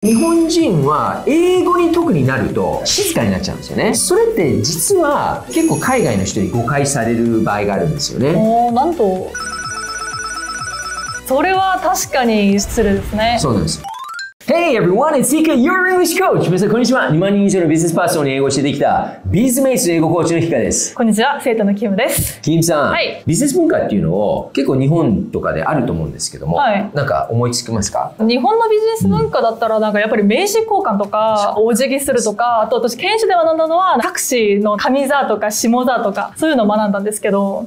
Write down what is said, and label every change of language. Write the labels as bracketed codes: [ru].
[ja] 日本人は英語に特になると静かになっちゃうんですよね。それって実は結構海外の人に誤解される場合があるんですよね。おー、なんと。それは確かに失礼ですね。そうなんです。 [en] Hey everyone, it's Hika, your English coach! [ja] 皆さん、こんにちは。 2万人以上のビジネスパーソンに英語をしてきた、ビーズメイツ英語コーチのヒカです。こんにちは、生徒のキムです。キムさん、はい、ビジネス文化っていうのを結構日本とかであると思うんですけども、はい、なんか思いつきますか？日本のビジネス文化だったら、なんかやっぱり名刺交換とか、お辞儀するとか、あと私、研修で学んだのは、タクシーの上座とか下座とか、そういうのを学んだんですけど、